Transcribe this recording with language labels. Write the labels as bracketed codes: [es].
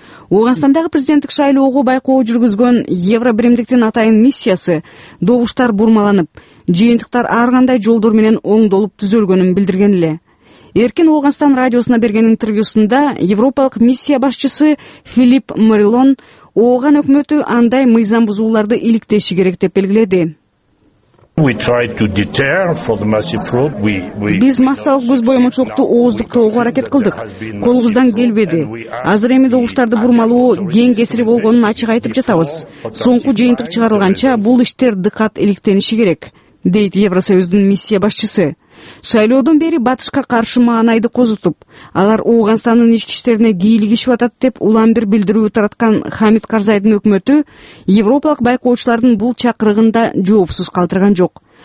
[ky] Оогансандагы президенттик шайлоого байкоо жүргүзгөн Евро биримдиктин атайын миссиясы добуштар бурмаланып, жыйынтыктар ар кандай жолдор менен оңдолуп түзөлгөнүн билдирген эле. Эркин Оогансан радиосуна берген интервьюсунда европалык миссия башчысы Филипп Морилон Ооган өкмөтү андай мыйзам бузууларды иликтеши керек деп белгиледи. [en] We tried to deter for the massive fraud. [ky] Биз массалык көз боемочулукту ооздуктоого аракет кылдык. Колубуздан келбеди. Азыр эми добуштарды бурмалоо кең кесири болгонун ачык айтып жатабыз. Соңку жыйынтык чыгарылганча бул иштер дыкат иликтениши керек, дейт Евросоюздун миссия башчысы. Шайлоодон бери батышка каршы маанайды козутуп, алар Оогансандын ички иштерине кийлигишип атат деп улам бир билдирүү тараткан Хамид Карзайдын өкмөтү европалык байкоочулардын бул чакырыгын да жоопсуз калтырган жок.